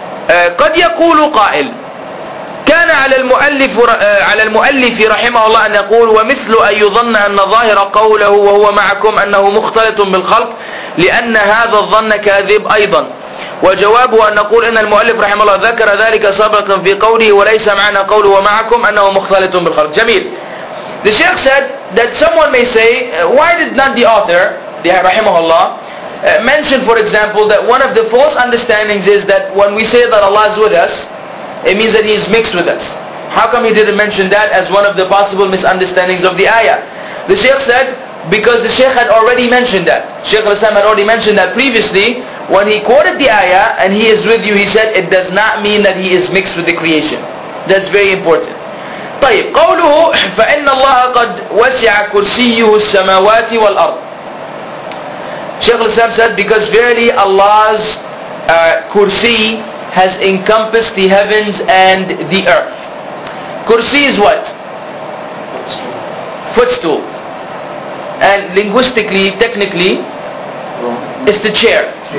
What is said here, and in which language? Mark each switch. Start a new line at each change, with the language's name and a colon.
Arabic: قد يقول قائل كان على المؤلف على المؤلف رحمه الله أن يقول ومثل أن يظن أن ظاهر قوله وهو معكم أنه مختلط بالخلق لأن هذا الظن كاذب أيضا وجوابه أن نقول إن المؤلف رحمه الله ذكر ذلك سابقا في قوله وليس معنا قوله ومعكم أنه مختلط بالخلق. جميل.
English: The Sheikh said that someone may say, why did not the author,
Arabic: رحمه الله,
English: mention, for example, that one of the false understandings is that when we say that Allah is with us, it means that He is mixed with us. How come he didn't mention that as one of the possible misunderstandings of the ayah? The Shaykh said, because the Shaykh had already mentioned that. Shaykh al-Islam had already mentioned that previously. When he quoted the ayah, and He is with you, he said, it does not mean that He is mixed with the creation. That's very important.
Arabic: طيب, قوله, فإن الله قد وسع كرسيه السماوات والأرض.
English: Shaykh al-Islam said, because verily Allah's kursi has encompassed the heavens and the earth. Kursi is what? Footstool. And linguistically, technically, it's the chair.